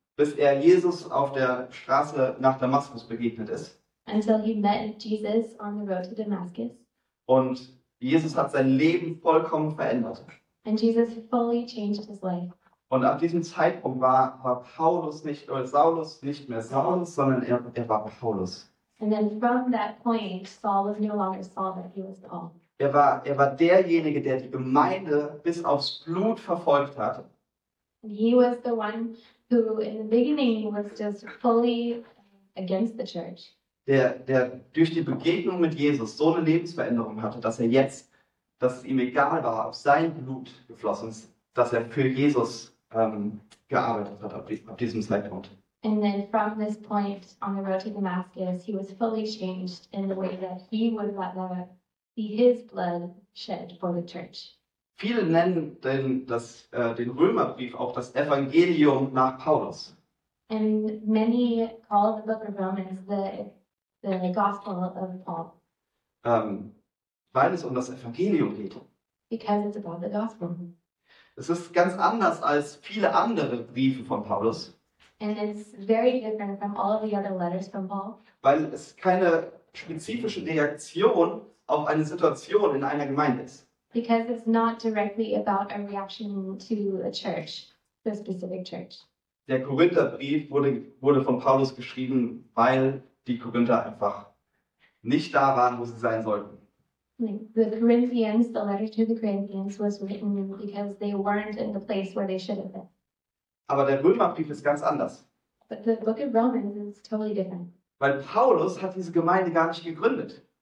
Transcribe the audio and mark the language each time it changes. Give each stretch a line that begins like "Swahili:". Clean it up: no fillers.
German: Bis er Jesus auf der Straße nach Damaskus begegnet ist.
English: Until he met Jesus on the road to Damascus.
German: Und Jesus hat sein Leben vollkommen verändert.
English: And Jesus fully changed his life.
German: Und ab diesem Zeitpunkt war Paulus nicht oder Saulus nicht mehr Saulus, sondern er war Paulus.
English: And then from that point, Saul was no longer Saul, but he was Paul.
German: Er war derjenige, der die Gemeinde bis aufs Blut verfolgt hat.
English: And he was the one who, in the beginning, was just fully against the church.
German: Der durch die Begegnung mit Jesus so eine Lebensveränderung hatte, dass er jetzt, dass es ihm egal war, auf sein Blut geflossen ist, dass er für Jesus gearbeitet hat ab diesem Zeitpunkt.
English: And then from this point on the road to Damascus, he was fully changed in the way that he would let love be his blood shed for the church.
German: Viele nennen den Römerbrief auch das Evangelium nach Paulus.
English: And many call the Book of Romans the Gospel of Paul.
German: Weil es um das Evangelium geht.
English: Because it's about the Gospel.
German: Es ist ganz anders als viele andere Briefe von Paulus.
English: And it's very different from all of the other letters from Paul.
German: Weil es keine spezifische Reaktion auf eine Situation in einer Gemeinde ist.
English: Because it's not directly about a reaction to a church, the specific church.
German: Der Korintherbrief wurde von Paulus geschrieben, weil die Korinther einfach nicht da waren, wo sie sein sollten.
English: The letter to the Corinthians was written because they weren't in the place where they should have been.
German: Aber der Römerbrief ist ganz anders.
English: But the Book of Romans is totally different.
German: Weil Paulus hat diese Gemeinde gar nicht gegründet.